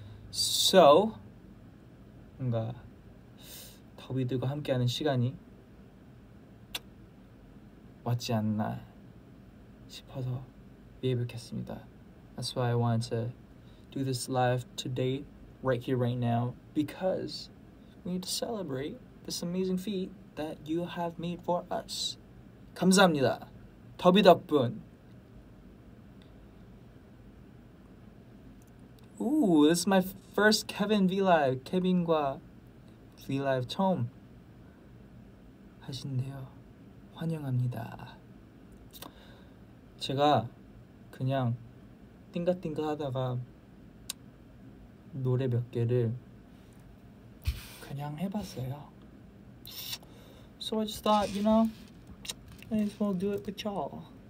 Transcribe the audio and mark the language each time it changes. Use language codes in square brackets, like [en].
[ko] So, 뭔가 더비들과 함께하는 시간이 왔지 않나 싶어서 예약했습니다. [en] That's why I wanted to do this live today, right here, right now, because we need to celebrate this amazing feat that you have made for us. [ko] 감사합니다. 더비 덕분. [en] Ooh, this is my first Kevin VLive. [ko] Kevin과 VLive 처음 하신대요. 환영합니다. 제가 그냥 띵가띵가 하다가 노래 몇 개를 그냥 해봤어요. [en] So I just thought, you know, may as well do it with y'all.